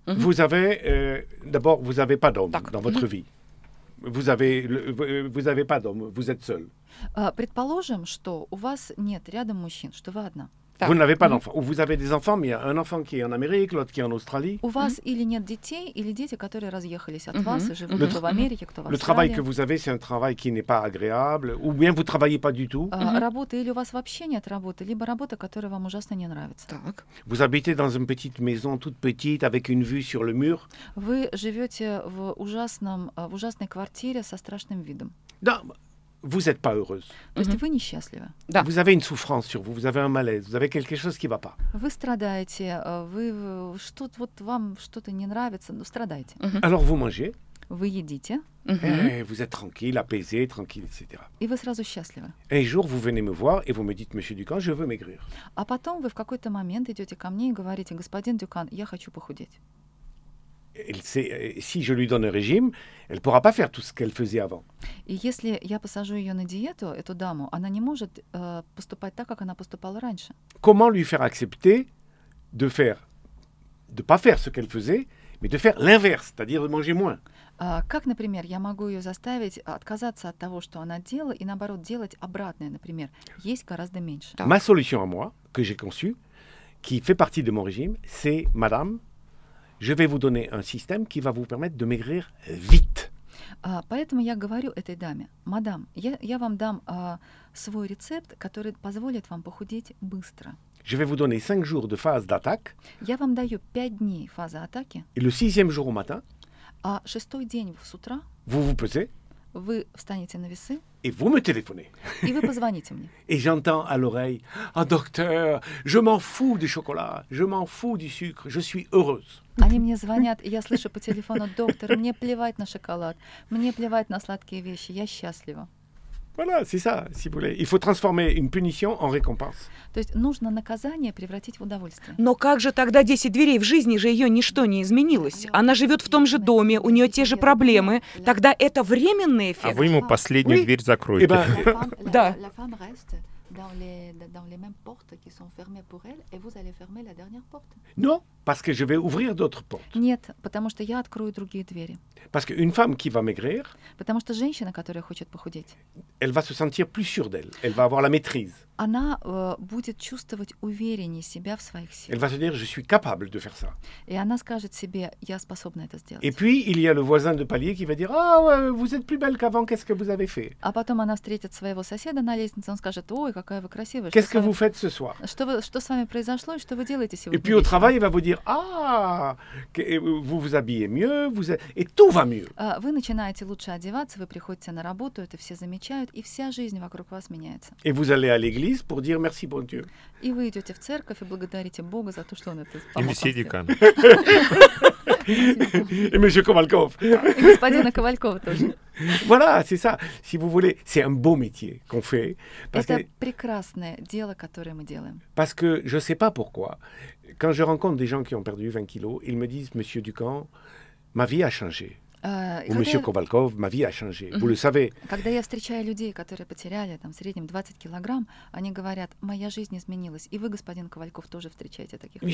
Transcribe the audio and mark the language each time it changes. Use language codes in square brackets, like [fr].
[fr] Vous avez, d'abord, vous avez pas d'homme dans votre vie. Vous avez pas d'homme, vous êtes seul. [ru] Предположим, что у вас нет рядом мужчин, что вы одна. [fr] Так. Vous n'avez pas d'enfant. Vous avez des enfants, mais il y a un enfant qui est en Amérique, l'autre qui est en Australie. [ru] У вас или нет детей, или дети, которые разъехались от вас и живут кто в Америке, кто в Австралии. [fr] Le travail que vous avez, c'est un travail qui n'est pas agréable, ou bien vous travaillez pas du tout. [ru] Работа или у вас вообще нет работы, либо работа, которая вам ужасно не нравится. Так. [fr] Vous habitez dans une petite maison toute petite avec une vue sur le mur. [ru] Вы живете в ужасном, в ужасной квартире со страшным видом. [fr] Да. Vous êtes pas heureuse. [ru] То есть вы несчастливы. Да. [fr] Vous avez une souffrance sur vous, vous avez un malaise, vous avez quelque chose qui va pas. [ru] Вы страдаете, вы что-то вот вам что-то не нравится, ну страдаете. [fr] Alors vous mangez? [ru] Вы едите? [fr] Vous êtes tranquille, apaisé, tranquille, etc. [ru] И вы сразу счастливы. [fr] Un jour vous venez me voir et vous me dites monsieur Дюкан, je veux maigrir. [ru] А потом вы в какой-то момент идете ко мне и говорите: "Господин Дюкан, я хочу похудеть". [fr] Si je lui donne un régime, elle pourra pas faire tout ce qu'elle faisait avant. [ru] И если я посажу ее на диету, эту даму, она не может поступать так, как она поступала раньше. [fr] Comment lui faire accepter de pas faire ce qu'elle faisait, mais de faire l'inverse, c'est-à-dire de manger moins? [ru] Как, например, я могу ее заставить отказаться от того, что она делала, и наоборот делать обратное, например, есть гораздо меньше. [fr] Ma solution à moi, que j'ai conçue, qui fait partie de mon régime, c'est Madame, je vais vous donner un système qui va vous permettre de maigrir vite. [ru] Поэтому я говорю этой даме, мадам, я вам дам свой рецепт, который позволит вам похудеть быстро. [fr] Je vais vous donner 5 jours de phase d'attaque. [ru] Я вам даю 5 дней фазы атаки. [fr] Et le sixième jour au matin. [ru] А шестой день с утра. [fr] Vous vous pesez. [ru] Вы встанете на весы. [fr] Et vous me téléphonez. [ru] И вы позвоните мне. [fr] Et j'entends à l'oreille, ah docteur, je m'en fous du chocolat, je m'en fous du sucre, je suis heureuse. [ru] Они мне звонят, и я слышу по телефону, доктор, мне плевать на шоколад, мне плевать на сладкие вещи, я счастлива. [fr] Voilà, c'est ça, si vous voulez. Il faut transformer une punition en récompense. [ru] То есть нужно наказание превратить в удовольствие. Но как же тогда 10 дверей? В жизни же ее ничто не изменилось. Она живет в том же доме, у нее те же проблемы. Тогда это временный эффект. А вы ему последнюю дверь закроете. [fr] Eh ben, [ru] да. [fr] La femme reste dans les mêmes portes qui sont fermées pour elle, et vous allez fermer la dernière porte. Non, parce que je vais ouvrir d'autres portes. [ru] Нет, потому что я открою другие двери. [fr] Parce qu'une femme qui va maigrir, [ru] потому что женщина, которая хочет похудеть, [fr] elle va se sentir plus sûre d'elle, elle va avoir la maîtrise. [ru] Она будет чувствовать увереннее себя в своих силах. [fr] Elle va se dire, je suis capable de faire ça. [ru] И она скажет себе, я способна это сделать. [fr] Et puis, il y a le voisin de palier qui va dire, ah, ouais, vous êtes plus belle qu'avant, qu'est-ce que vous avez fait? [ru] А потом она встретит своего соседа на лестнице, он скажет, ой, какая вы красивая. [fr] Qu'est-ce que vous faites ce soir? [ru] Что с вами произошло, и что вы делаете сегодня? [fr] Et puis, au travail, il va vous dire, ah, vous vous habillez mieux, vous... et tout va mieux. [ru] Вы начинаете лучше одеваться, вы приходите на работу, это все замечают, и вся жизнь вокруг вас меняется. [fr] Et vous allez à l'église, pour dire merci bon Dieu. [ru] И вы идете в церковь и благодарите Бога за то, что он это помог. И месье Дюкан. И месье Ковальков. И господина Ковалькова тоже. [fr] Voilà, c'est ça. Si vous voulez, c'est un beau métier qu'on fait. [ru] Это прекрасное дело, которое мы делаем. [fr] Parce que je sais pas pourquoi, quand je rencontre des gens qui ont perdu 20 kilos, ils me disent, monsieur Дюкан, ma vie a changé. Ou monsieur Ковальков, ma vie a changé. Vous le savez. [ru] Когда я встречаю людей, которые потеряли там в среднем 20 килограмм, они говорят: "Моя жизнь изменилась". И вы, господин Ковальков, тоже встречаете таких людей.